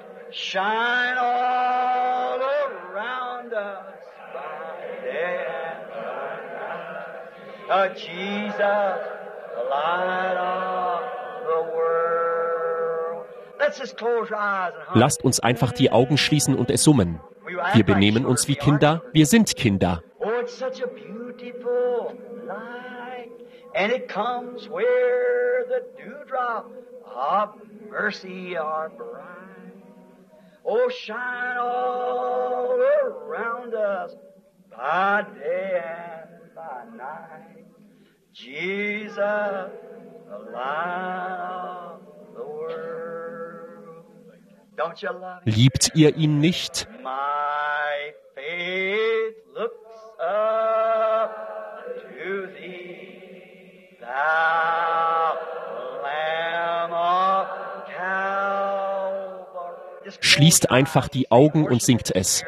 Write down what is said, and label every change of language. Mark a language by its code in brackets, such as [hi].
[en] Shine all around us by day and by night. Jesus, the light of the world. Let's just close our eyes and hum. [de] Lasst uns einfach die Augen schließen und es summen. Wir benehmen uns wie Kinder, wir sind Kinder. [en] Oh, it's such a beautiful light. And it comes where the dewdrop of mercy are bright. Oh, shine all around us by day and by night. Jesus, the light of the world. Don't you love him? [de] Liebt ihr ihn nicht? [en] My faith looks up to thee, thou Lamb of Calvary. [de] Schließt einfach die Augen und singt es.